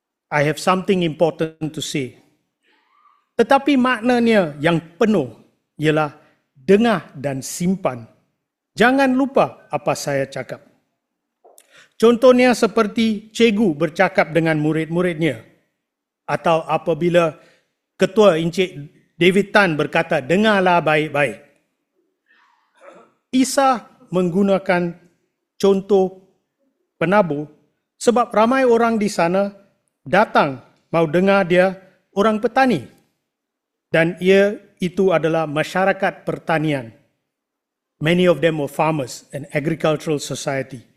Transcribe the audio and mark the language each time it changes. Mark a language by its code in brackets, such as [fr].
[en] I have something important to say. [ms] Tetapi maknanya yang penuh ialah dengar dan simpan. Jangan lupa apa saya cakap. Contohnya seperti cikgu bercakap dengan murid-muridnya. Atau apabila ketua Encik David Tan berkata, dengarlah baik-baik. Isa menggunakan contoh penabur sebab ramai orang di sana datang mau dengar dia orang petani. Dan ia itu adalah masyarakat pertanian. [en] Many of them were farmers and agricultural society.